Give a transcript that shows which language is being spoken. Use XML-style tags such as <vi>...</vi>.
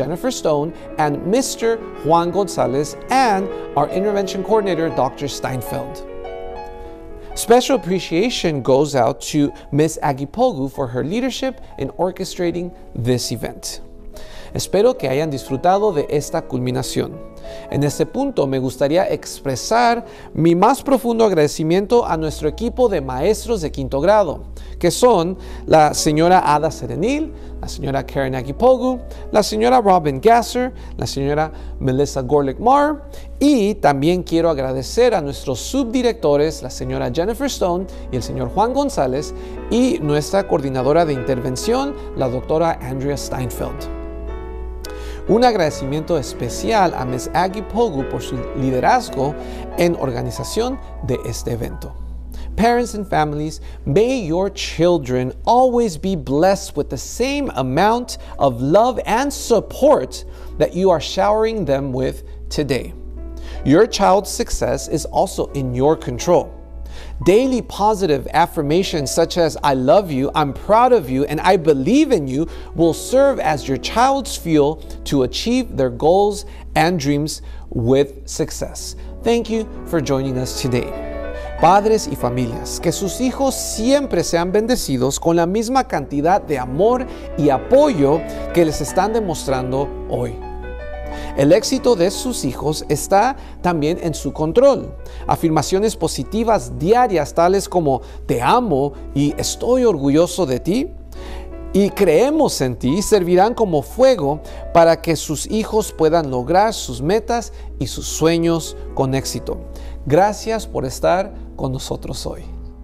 <en>Jennifer Stone and Mr. Juan Gonzalez, and our intervention coordinator, Dr. Steinfeld. Special appreciation goes out to Ms. Agipogu for her leadership in orchestrating this event.</en> <es>Espero que hayan disfrutado de esta culminación. En este punto, me gustaría expresar mi más profundo agradecimiento a nuestro equipo de maestros de quinto grado, que son la señora Ada Serenil, la señora Karen Agipogu, la señora Robin Gasser, la señora Melissa Gorlick-Marr, y también quiero agradecer a nuestros subdirectores, la señora Jennifer Stone y el señor Juan González, y nuestra coordinadora de intervención, la doctora Andrea Steinfeld. Un agradecimiento especial a Ms. Agipogu por su liderazgo en organización de este evento.</es> <en>Parents and families, may your children always be blessed with the same amount of love and support that you are showering them with today. Your child's success is also in your control. Daily positive affirmations such as I love you, I'm proud of you, and I believe in you will serve as your child's fuel to achieve their goals and dreams with success. Thank you for joining us today.</en> <es>Padres y familias, que sus hijos siempre sean bendecidos con la misma cantidad de amor y apoyo que les están demostrando hoy. El éxito de sus hijos está también en su control. Afirmaciones positivas diarias tales como te amo y estoy orgulloso de ti y creemos en ti servirán como fuego para que sus hijos puedan lograr sus metas y sus sueños con éxito. Gracias por estar con nosotros hoy.</es>